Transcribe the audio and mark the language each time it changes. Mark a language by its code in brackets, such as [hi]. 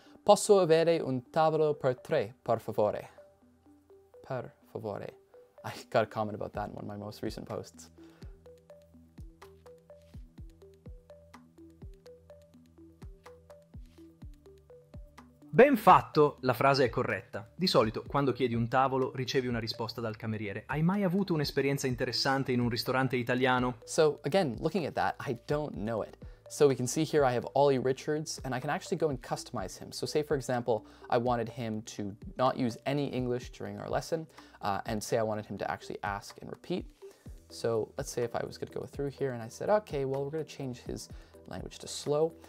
[it] Posso avere un tavolo per tre, per favore? Per favore. [en] I got a comment about that in one of my most recent posts. [it] Ben fatto! La frase è corretta. Di solito, quando chiedi un tavolo, ricevi una risposta dal cameriere. Hai mai avuto un'esperienza interessante in un ristorante italiano? [en] So, again, looking at that, I don't know it. So we can see here I have Ollie Richards, and I can actually go and customize him. So say, for example, I wanted him to not use any English during our lesson, and say I wanted him to actually ask and repeat. So let's say if I was going to go through here and I said, okay, well, we're going to change his language to slow.